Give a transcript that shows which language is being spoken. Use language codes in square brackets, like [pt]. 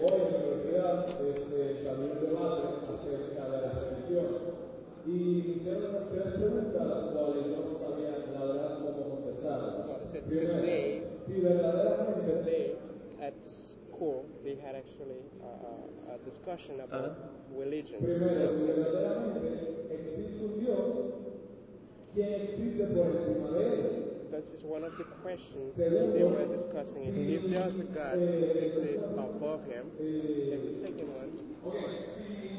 [es] Hoy en la universidad salió un debate acerca de las religiones y hicieron tres preguntas las cuales no sabían la verdad cómo contestar. Primero, si verdaderamente [en] at school they had actually a discussion about religion. [es] Primero, si verdaderamente existe un Dios, ¿quién existe por encima de él? [en] That is one of the questions they were discussing. If there is a God who exists above Him, and the second one.